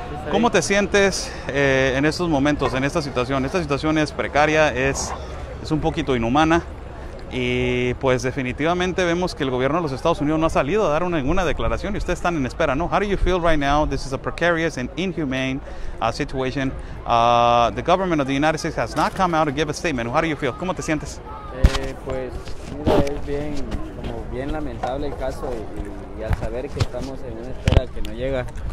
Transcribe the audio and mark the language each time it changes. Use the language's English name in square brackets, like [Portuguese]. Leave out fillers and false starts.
[Spanish] ¿Cómo te sientes en estos momentos, en esta situación? Esta situación es precaria, es un poquito inhumana. Y pues definitivamente vemos que el gobierno de los Estados Unidos no ha salido a dar ninguna declaración y ustedes están en espera, ¿no? [English] How do you feel right now? This is a precarious and inhumane situation. The government of the United States has not come out to give a statement. How do you feel? [Spanish] ¿Cómo te sientes? Pues mira, es bien, como bien lamentable el caso y al saber que estamos en una espera que no llega.